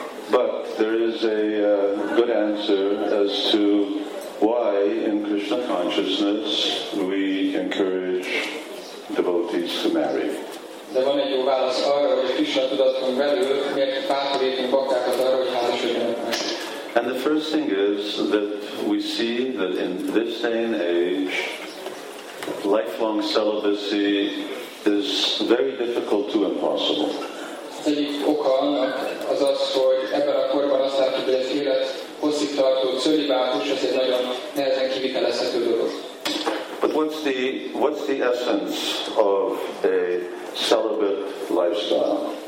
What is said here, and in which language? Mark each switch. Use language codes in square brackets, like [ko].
[en] But there is a good answer as to why in Krishna consciousness we encourage devotees to marry. [hu] De van egy jó válasz arra, hogy Krishna tudaton belül miért bátorítunk baktákat arra, hogy házasodjanak meg. [en] And the first thing is that we see that in this day and age, lifelong celibacy is very difficult to impossible. [hu] Az egyik oka annak az az, hogy ebben a korban azt látjuk, hogy az élet hosszig tartó cölibátus, ez egy nagyon nehezen kivitelezhető dolog. [en] But what's the essence of a celibate lifestyle?